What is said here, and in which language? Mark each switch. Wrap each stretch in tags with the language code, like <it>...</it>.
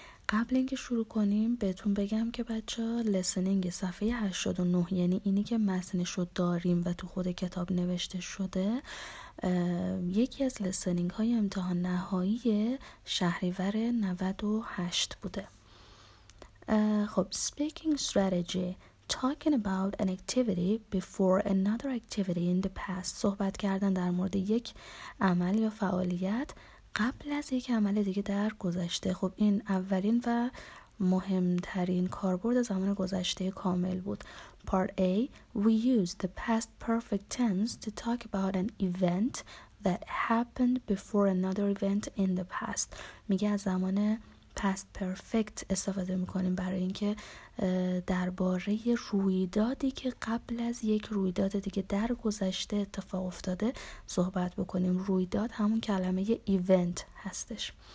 <fa>قبل اینکه شروع کنیم بهتون بگم که بچه Listening صفحه 89 یعنی اینی که متنشو داریم و تو خود کتاب نوشته شده یکی از Listening های امتحان نهایی شهریور 98 بوده. خب</fa> <en>Speaking Strategy: talking about an activity before another activity in the past.</en> <fa>صحبت کردن در مورد یک عمل یا فعالیت قبل از یک عمل دیگه در گذشته. خب این اولین و مهمترین کاربرد زمان گذشته کامل بود.</fa> <en>Part A: we use the past perfect tense to talk about an event that happened before another event in the past.</en> <fa>میگه از زمان past perfect استفاده میکنیم برای اینکه درباره رویدادی که قبل از یک رویداد دیگه در گذشته اتفاق افتاده صحبت بکنیم. رویداد همون کلمه event هستش.</fa>